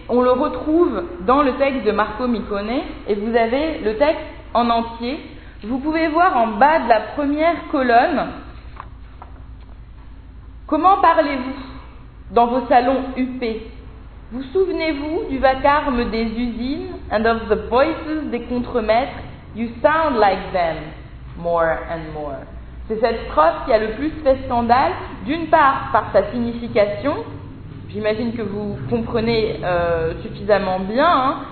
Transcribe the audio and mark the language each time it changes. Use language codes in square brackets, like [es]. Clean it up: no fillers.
[fr] On le retrouve dans le texte de Marco Micone et vous avez le texte en entier. Vous pouvez voir en bas de la première colonne comment parlez-vous dans vos salons huppés ? Vous souvenez-vous du vacarme des usines [en] and of the voices [fr] des contremaîtres ? [en] You sound like them more and more. [fr] C'est cette phrase qui a le plus fait scandale, d'une part par sa signification. J'imagine que vous comprenez suffisamment bien. Hein.